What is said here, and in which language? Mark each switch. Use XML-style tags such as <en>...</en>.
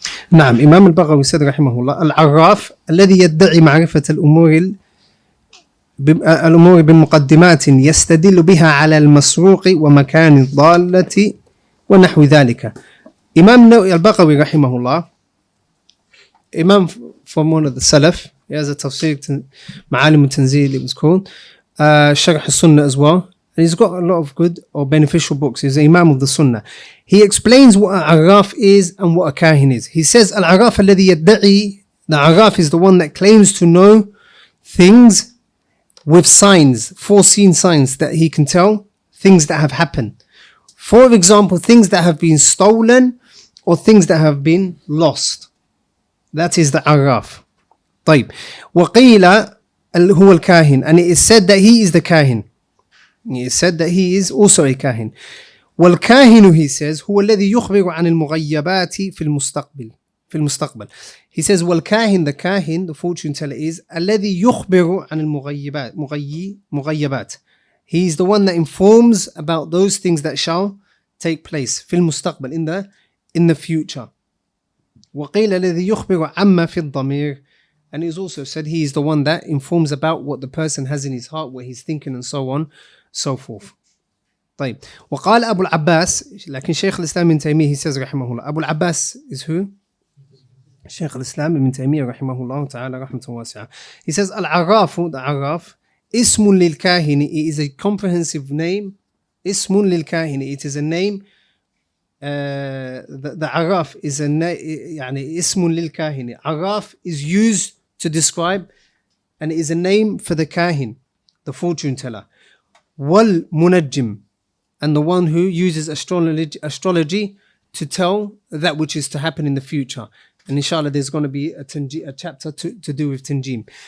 <ar>نعم إمام البغوي said رحمه الله العراف الذي يدعي معرفة الأمور بمقدمات يستدل بها على المسروق ومكان الضالة ونحو ذلك.</ar> <en>Imam al-Baghawi rahimahullah, Imam from one of the Salaf, he has a tafsir, Ma'alim al-Tanzil, it was called, Sharh al-Sunnah as well, and he's got a lot of good or beneficial books. He's the Imam of the Sunnah. He explains what al-Araf is and what a kahin is. He says, al-Araf alladhi yadda'i, the Araf is the one that claims to know things with signs, foreseen signs that he can tell, things that have happened. For example, things that have been stolen or things that have been lost. That is the Araf. طيب.</en> <ar>وقيل هو الكاهن.</ar> <en>And it is said that he is the كاهن. It is said that he is also a كاهن.</en> <ar>والكاهن,</ar> <en>he says,</en> <ar>هو الذي يخبر عن المغيبات في المستقبل. في المستقبل.</ar> <en>He says, والكاهن, the كاهن, the fortune teller is,</en> <ar>الذي يخبر عن المغيبات. مغيبات.</ar> <en>He is the one that informs about those things that shall take place</en> <ar>في المستقبل,</ar> <en>in the future.</en> <ar>وقيل الذي يخبر عما في الضمير,</ar> <en>and he's also said he is the one that informs about what the person has in his heart, what he's thinking, and so on, so forth.</en> <ar>طيب. وقال أبو العباس, لكن شيخ الإسلام ابن تيمية,</ar> <en>he says</en> <ar>رحمه الله. أبو العباس</ar> <en>is who?</en> <ar>شيخ الإسلام ابن تيمية رحمه الله تعالى رحمة واسعة.</ar> <en>He says العراف, the عراف.</en> <ar>اسم للكاهن,</ar> <en>it is a comprehensive name.</en> <ar>اسم للكاهن,</ar> <en>it is a name. The عراف is a</en> <ar>يعني اسم للكاهن.</ar> <en>عراف is used to describe, and it is a name for the كاهن, the fortune teller. والمنجم, and the one who uses astrology to tell that which is to happen in the future. And inshallah, there's going to be a chapter to do with تنجيم.</en>